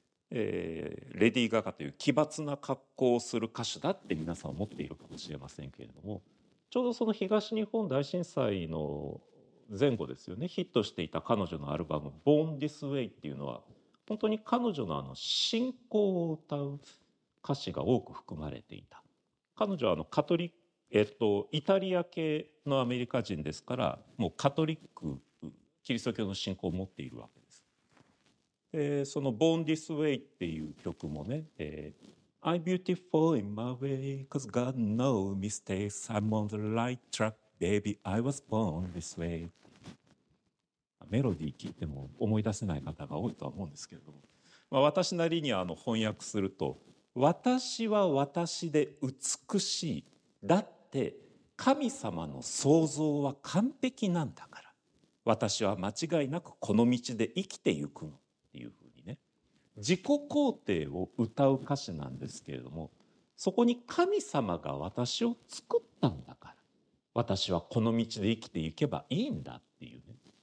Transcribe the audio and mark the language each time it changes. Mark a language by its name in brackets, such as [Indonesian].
[Japanese] レディー・ガガという奇抜な格好をする歌手だって皆さん思っているかもしれませんけれども、ちょうどその東日本大震災の前後ですよね、ヒットしていた彼女のアルバム Born This Way っていうのは本当に彼女のあの信仰を歌う歌詞が多く含まれていた。彼女はあのカトリックイタリア系のアメリカ人ですから、もうカトリック、キリスト教の信仰を持っているわけです。その [English] Born This Way [Japanese] っていう曲もね、 [English] I'm beautiful in my way cause got no mistakes I'm on the right track baby I was born this way。 [Japanese] メロディー聞いても思い出せない方が多いとは思うんですけれども、まあ、私なりに翻訳すると、私は私で美しい、だって神様の創造は完璧なんだから、私は間違いなくこの道で生きていくのっていうふうにね、自己肯定を歌う歌詞なんですけれども、そこに神様が私を作ったんだから私はこの道で生きていけばいいんだっていうね、